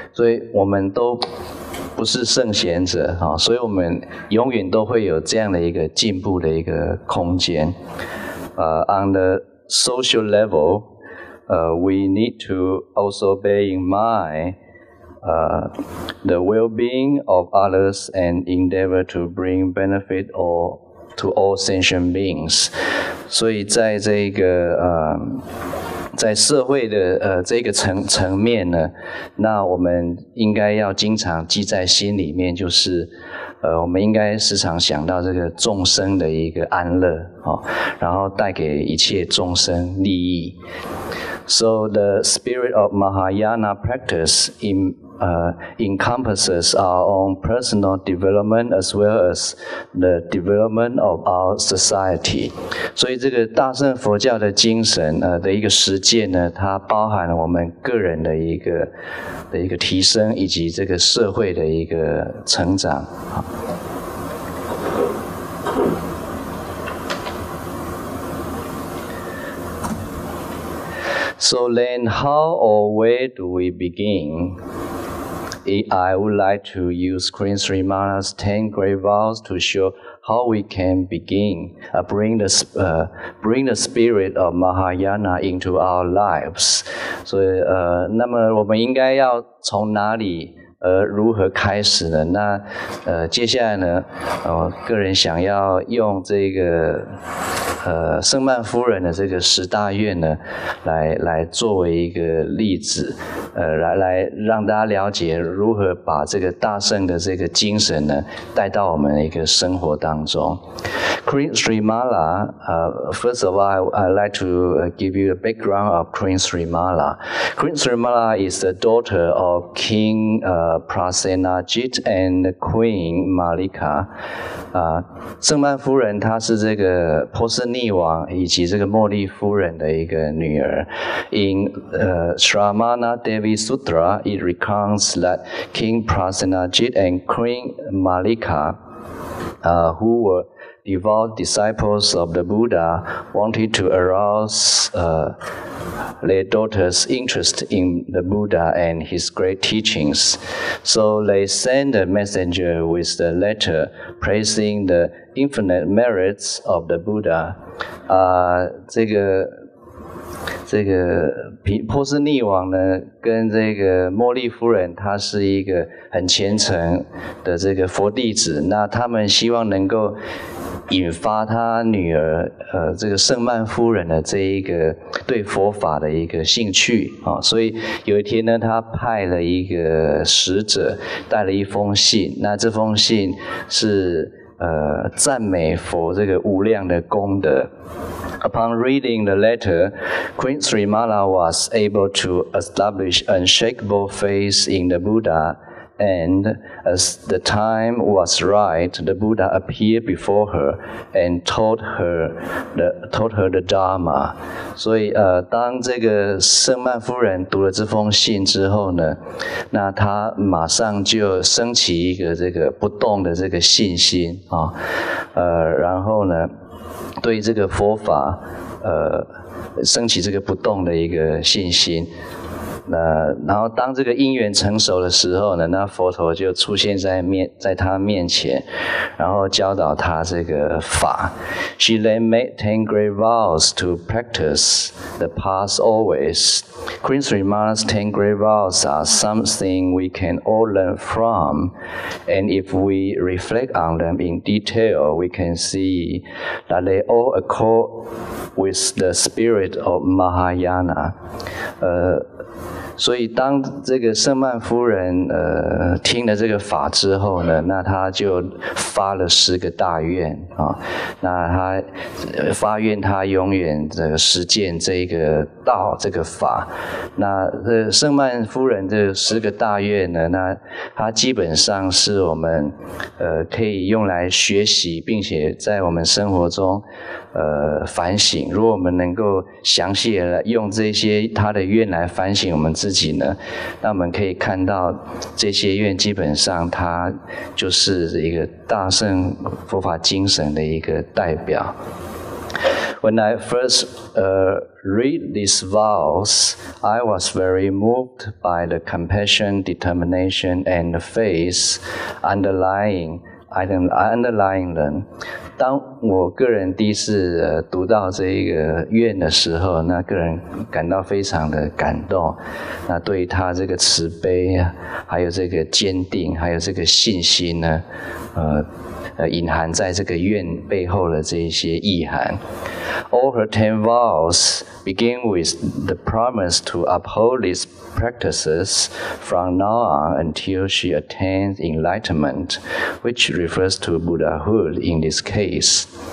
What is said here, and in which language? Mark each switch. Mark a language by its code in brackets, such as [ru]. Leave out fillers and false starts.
[zh] 所以我们都不是圣贤者，所以我们永远都会有这样的一个进步的一个空间。 [en] On the social level, we need to also bear in mind the well-being of others and endeavor to bring benefit to all sentient beings. [zh] 所以在这个在社会的这个层面呢，那我们应该要经常记在心里面，就是我们应该时常想到这个众生的一个安乐哦，然后带给一切众生利益。 [en] So the spirit of Mahayana practice encompasses our own personal development as well as the development of our society. [zh] 所以这个大乘佛教的精神的一个实践呢，它包含了我们个人的一个提升，以及这个社会的一个成长。 [en] So then, how or where do we begin? I would like to use Queen Sri Mana's 10 great vows to show how we can begin, bring the spirit of Mahayana into our lives. [zh] 所以那么我们应该要从哪里如何开始呢？那接下来呢？我个人想要用这个圣曼夫人的这个十大愿呢，来作为一个例子，来让大家了解如何把这个大圣的这个精神呢带到我们的一个生活当中。 [en] Queen Sri Mala, first of all, I'd like to give you a background of Queen Sri Mala. Queen Sri Mala is the daughter of King Prasenajit and Queen Malika. [zh] 圣曼夫人她是这个波斯匿王以及这个莫莉夫人的一个女儿。 [en] In Sramana Devi Sutra, it recounts that King Prasenajit and Queen Malika, who were devout disciples of the Buddha, wanted to arouseTheir daughter's interest in the Buddha and his great teachings. So they sent a messenger with a letter praising the infinite merits of the Buddha. [zh] 这个波斯匿王呢跟这个莫莉夫人她是一个很虔诚的这个佛弟子，那他们希望能够引发他女儿这个圣曼夫人的这一个对佛法的一个兴趣啊，所以有一天呢他派了一个使者带了一封信，那这封信是赞美佛这个无量的功德。 [en] Upon reading the letter, Queen Sri Mala was able to establish unshakable faith in the Buddha, and as the time was right, the Buddha appeared before her and told her the Dharma. [zh] 所以当这个圣曼夫人读了这封信之后呢，那她马上就升起一个这个不动的这个信心啊，然后呢对这个佛法升起这个不动的一个信心。然后当这个因缘成熟的时候呢，那佛陀就出现在他面前，然后教导他这个法。 [en] She then made 10 great vows to practice the path always. Queen Sri Mala's 10 great vows are something we can all learn from, and if we reflect on them in detail, we can see that they all accord with the spirit of Mahayana. [zh] 所以当这个圣曼夫人听了这个法之后呢，那她就发了十个大愿啊，那她发愿她永远这个实践这个道这个法。那这圣曼夫人这十个大愿呢，那她基本上是我们可以用来学习，并且在我们生活中反省。如果我们能够详细的用这些她的愿来反省我们自己呢，那我们可以看到这些愿基本上它就是一个大圣佛法精神的一个代表。 [en] When I first read these vows, I was very moved by the compassion, determination, and faith underlying them. [zh] 当我个人第一次读到这一个愿的时候，那个人感到非常的感动，那对他这个慈悲还有这个坚定还有这个信心呢隐含在这个愿背后的这一些意涵。 [en] All her 10 vows begin with the promise to uphold these practices from now on until she attains enlightenment, which refers to Buddhahood in this case.